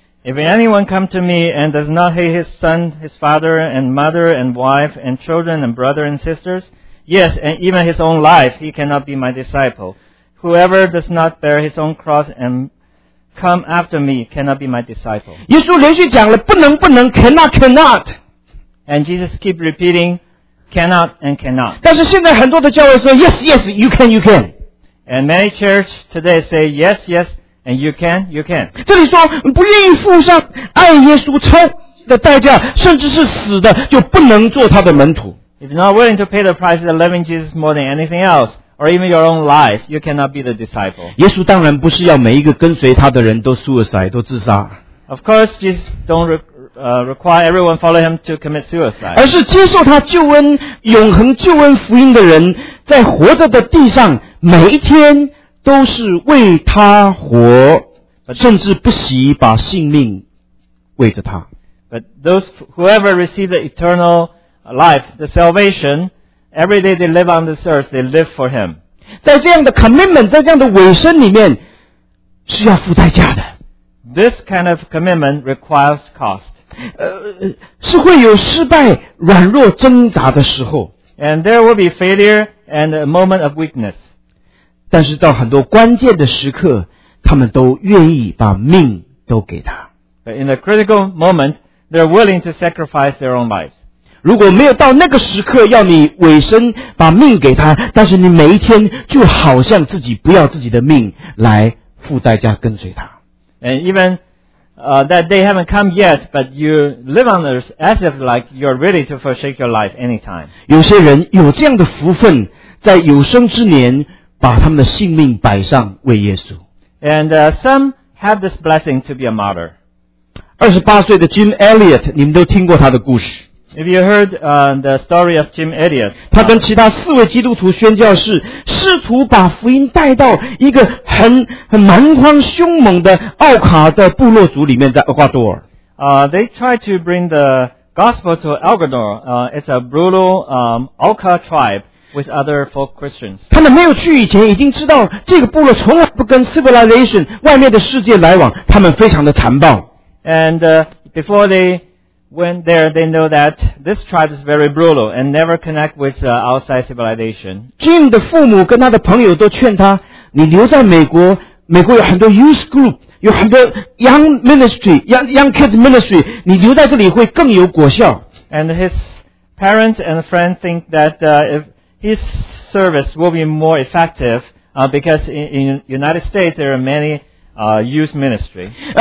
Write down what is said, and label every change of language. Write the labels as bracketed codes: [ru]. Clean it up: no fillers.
[en] If anyone come to me and does not hate his son, his father and mother and wife and children and brother and sisters, yes, and even his own life, he cannot be my disciple. Whoever does not bear his own cross and come after me cannot be my disciple. [zh] 耶稣连续讲了不能不能 [en] cannot cannot. And Jesus keep repeating cannot and cannot. [zh] 但是现在很多的教会说 [en] yes yes you can you can. And many church today say yes yes and you can you can. [zh] 这里说不愿意付上爱耶稣超的代价甚至是死的就不能做他的门徒。 [en] If you're not willing to pay the price of loving Jesus more than anything else,Or even your own life, you cannot be the disciple. [zh] 耶稣当然不是要每一个跟随他的人都 [en] suicide, [zh] 都自杀。 [en] Of course, Jesus don't require everyone follow him to commit suicide. [zh] 而是接受他救恩、永恒救恩福音的人，在活着的地上，每一天都是为他活，甚至不惜把性命为着他。 [en] But those whoever receive the eternal life, the salvation,Every day they live on this earth, they live for Him. [zh] 在这样的 [en] commitment, [zh] 在这样的委身里面是要付代价的。 [en] This kind of commitment requires cost. [zh] 是会有失败、软弱、挣扎的时候。 [en] And there will be failure and a moment of weakness. [zh] 但是到很多关键的时刻他们都愿意把命都给他。 [en] But in a critical moment, they're willing to sacrifice their own lives. [zh] 如果没有到那个时刻要你委身把命给他但是你每一天就好像自己不要自己的命来付代价跟随他。 [en] And even, that day haven't come yet, but you live on earth as if like you're ready to forsake your life anytime. [zh] 有些人有这样的福分在有生之年把他们的性命摆上为耶稣。 [en] And, some have this blessing to be a martyr. [zh] 28岁的 Jim Elliot, 你们都听过他的故事。 [en] If you heard, the story of Jim Elliot, [zh] 他跟其他四位基督徒宣教士试图把福音带到一个很蛮荒凶猛的奥卡的部落族里面在厄瓜多尔。 [en] They tried to bring the gospel to El Gador, it's a brutal, Alca tribe with other folk Christians. [zh] 他们没有去以前已经知道这个部落从来不跟 [en] civilization [zh] 外面的世界来往，他们非常的残暴。 [en] And before they went there, they know that this tribe is very brutal and never connect with outside civilization. [zh] Jim 的父母跟他的朋友都劝他，你留在美国，美国有很多 [en] youth group， [zh] 有很多 [en] young ministry， young kids ministry， [zh] 你留在这里会更有果效。 [en] And his parents and friends think that if his service will be more effective because in United States there are many youth ministry.